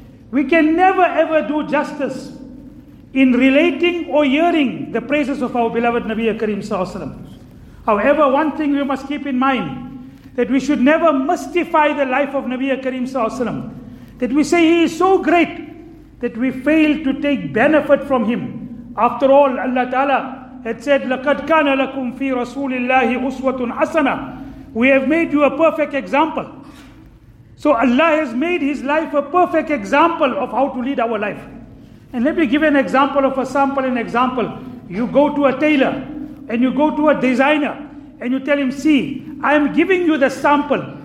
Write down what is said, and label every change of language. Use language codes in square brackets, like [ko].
[en] We can never ever do justice in relating or hearing the praises of our beloved Nabiya Kareem sallallahu alayhi wa sallam. However, one thing we must keep in mind, that we should never mystify the life of Nabiya Kareem sallallahu alayhi wa sallam, that we say he is so great that we fail to take benefit from him. After all, Allah Ta'ala had said, [ar] لَقَدْ كَانَ لَكُمْ فِي رَسُولِ اللَّهِ أُسْوَةٌ حَسَنَةٌ. [en] We have made you a perfect example. So Allah has made his life a perfect example of how to lead our life. And let me give an example of a sample, an example. You go to a tailor, and you go to a designer, and you tell him, see, I am giving you the sample.